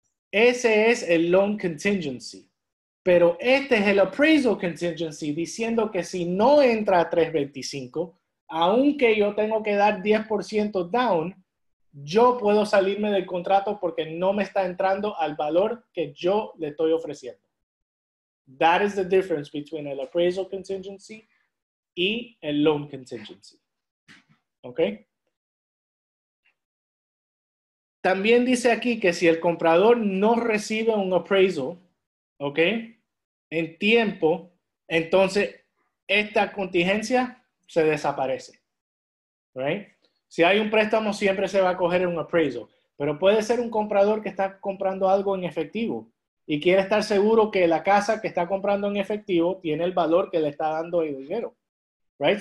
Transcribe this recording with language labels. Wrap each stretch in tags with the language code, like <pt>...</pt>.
<es>Ese es el loan contingency. Pero este es el appraisal contingency, diciendo que si no entra a 325, aunque yo tengo que dar 10% down, yo puedo salirme del contrato porque no me está entrando al valor que yo le estoy ofreciendo.</es> <en>That is the difference between el appraisal contingency y el loan contingency. Okay.</en> <es>También dice aquí que si el comprador no recibe un appraisal, ¿ok? En tiempo, entonces esta contingencia se desaparece. Right? Si hay un préstamo, siempre se va a coger un appraisal. Pero puede ser un comprador que está comprando algo en efectivo y quiere estar seguro que la casa que está comprando en efectivo tiene el valor que le está dando el dinero. Right?</es>